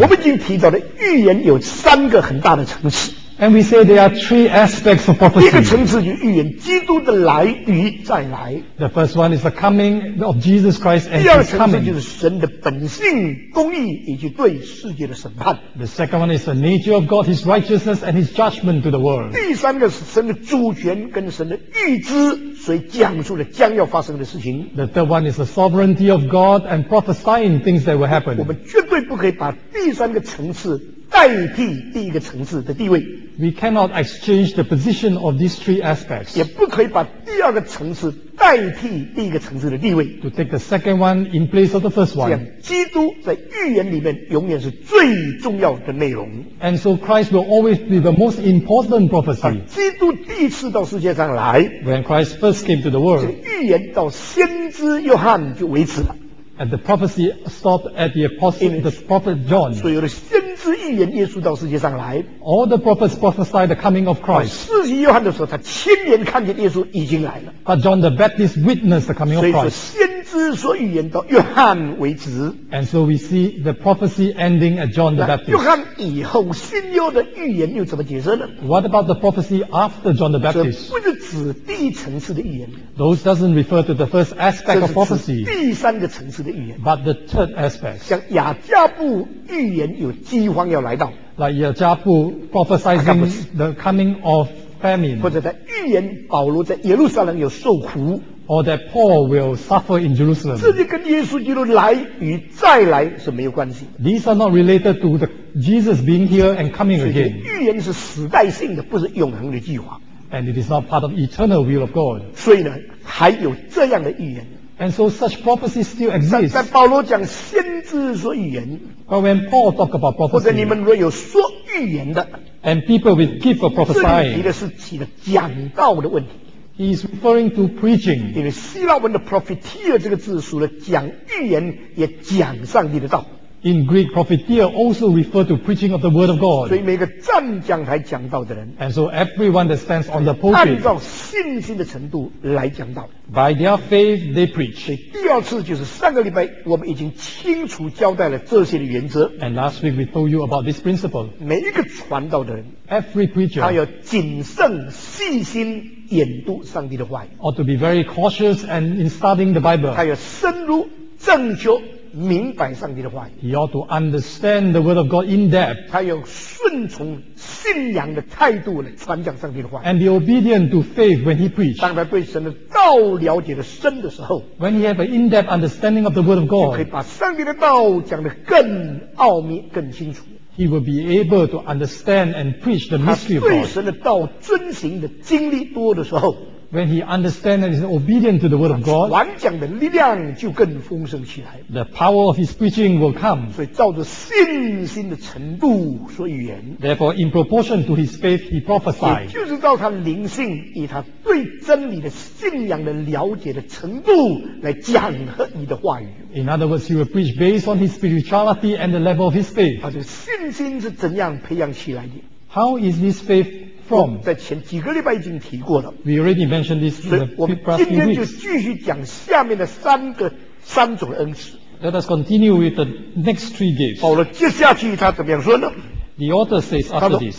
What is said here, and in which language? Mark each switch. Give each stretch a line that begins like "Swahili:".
Chinese: 我们已经提到了预言有三个很大的层次。
English: And we say there are three aspects of prophecy.
Chinese: 第一个层次就是预言基督的来与再来。
English: The first one is the coming of Jesus Christ and His coming.
Chinese: 第二层次就是神的本性、公义以及对世界的审判。
English: The second one is the nature of God, His righteousness and His judgment to the world.
Chinese: 第三个是神的主权跟神的预知，所以讲述了将要发生的事情。
English: The third one is the sovereignty of God and prophesying things that will happen.
Chinese: 我们绝对不可以把第三个层次代替第一个层次的地位。
English: We cannot exchange the position of these three aspects.
Chinese: 也不可以把第二个层次代替第一个层次的地位。
English: To take the second one in place of the first one.
Chinese: 基督在预言里面永远是最重要的内容。
English: And so Christ will always be the most important prophecy.
Chinese: 基督第一次到世界上来。
English: When Christ first came to the world.
Chinese: 预言到先知约翰就为止了。
English: And the prophecy stopped at the apostle, the prophet John.
Chinese: 所有的先知预言耶稣到世界上来。
English: All the prophets prophesied the coming of Christ.
Chinese: 使徒约翰的时候，他亲眼看见耶稣已经来了。
English: But John the Baptist witnessed the coming of Christ.
Chinese: 所以说，先知所预言到约翰为止。
English: And so we see the prophecy ending at John the Baptist.
Chinese: 约翰以后新约的预言又怎么解释呢？
English: What about the prophecy after John the Baptist?
Chinese: 这不是指第一层次的预言。
English: Those doesn't refer to the first aspect of prophecy.
Chinese: 这是指第三个层次。
English: But the third aspect,
Chinese: 像亚加布预言有饥荒要来到
English: ，like 亚加布 prophesizing the coming of famine,
Chinese: 或者他预言保罗在耶路撒冷有受苦
English: ，or that Paul will suffer in Jerusalem.
Chinese: 这些跟耶稣基督来与再来是没有关系的。
English: These are not related to the Jesus being here and coming again.
Chinese: 预言是时代性的，不是永恒的计划。
English: And it is not part of eternal will of God.
Chinese: 所以呢，还有这样的预言。
English: And so such prophecy still exists.
Chinese: 但保罗讲先知说预言。
English: But when Paul talk about prophecy,
Chinese: 或者你们若有说预言的
English: ，and people with gift of prophesying,
Chinese: 这里提的是起了讲道的问题。
English: He is referring to preaching.
Chinese: 因为希腊文的 prophetia 这个字除了讲预言，也讲上帝的道。
English: In Greek, prophetia also refer to preaching of the word of God.
Chinese: 所以每个站讲台讲道的人
English: ，and so everyone that stands on the pulpit,
Chinese: 按照信心的程度来讲道。
English: By their faith, they preach.
Chinese: 所以第二次就是上个礼拜我们已经清楚交代了这些的原则。
English: And last week we told you about this principle.
Chinese: 每一个传道的人
English: ，every preacher,
Chinese: 他要谨慎细心研读上帝的话语
English: ，or to be very cautious and in studying the Bible.
Chinese: 他要深入正确。明白上帝的话语。
English: He ought to understand the word of God in depth.
Chinese: 他要顺从信仰的态度来传讲上帝的话语。
English: And be obedient to faith when he preached.
Chinese: 当他对神的道了解的深的时候
English: ，When he have an in-depth understanding of the word of God,
Chinese: 就可以把上帝的道讲得更奥秘、更清楚。
English: He will be able to understand and preach the mystery of God.
Chinese: 他对神的道遵行的经历多的时候。
English: When he understands and is obedient to the word of God,
Chinese: 传讲的力量就更丰盛起来。
English: The power of his preaching will come.
Chinese: 所以照着信心的程度说预言。
English: Therefore, in proportion to his faith, he prophesied.
Chinese: 也就是照他灵性以他对真理的信仰的了解的程度来讲和你的话语。
English: In other words, he will preach based on his spirituality and the level of his faith.
Chinese: 他的信心是怎样培养起来的？
English: How is this faith?
Chinese: 在前几个礼拜已经提过了。
English: We already mentioned this.
Chinese: 所以我们今天就继续讲下面的三种恩赐。
English: Let us continue with the next three gifts.
Chinese: 保罗接下去他怎么样说呢
English: ？The author says after this.